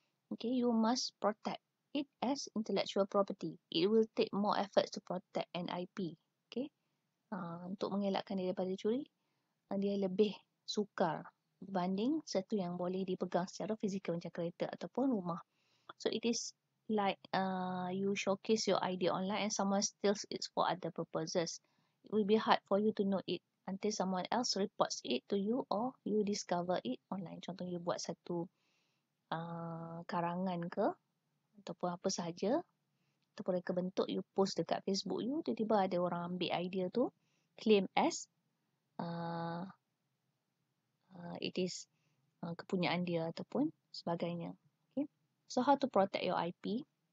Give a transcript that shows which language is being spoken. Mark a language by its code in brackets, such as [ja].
[en] Okay, you must protect it as intellectual property. It will take more effort to protect an IP. [ms] Okay, untuk mengelakkan dia daripada curi, dia lebih sukar berbanding satu yang boleh dipegang secara fizikal macam kereta ataupun rumah. [en] So, it is like you showcase your idea online and someone steals it for other purposes. It will be hard for you to know it until someone else reports it to you or you discover it online. [ms] Contoh, you buat satu karangan ke ataupun apa sahaja ataupun reka bentuk, you post dekat Facebook you, tiba-tiba ada orang ambil idea tu, [en] claim as it is [ms] kepunyaan dia ataupun sebagainya. Okay. [en] So, how to protect your IP?